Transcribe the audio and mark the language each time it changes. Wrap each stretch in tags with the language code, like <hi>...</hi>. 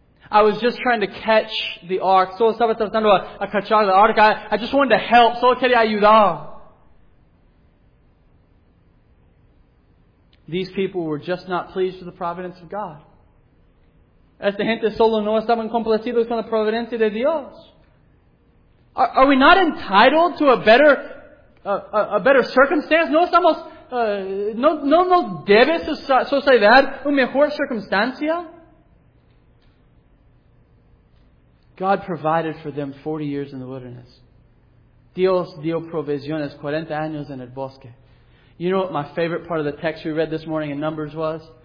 <en>I was just trying to catch the ark.</en> <es>Solo estaba tratando a cachar el arca.</es> <en>I just wanted to help.</en> <es>Solo quería ayudar.</es> <en>These people were just not pleased with the providence of God.</en> <es>Esta gente solo no estaban complacidos con la providencia de Dios.</es> <en>Are we not entitled to a better circumstance?</en> <es>No estamos no debe suceder una mejor circunstancia.</es> <en>God provided for them 40 years in the wilderness.</en> <es>Dios dio provisiones 40 años en el bosque.</es> <en>You know what my favorite part of the text we read this morning in Numbers was?</en>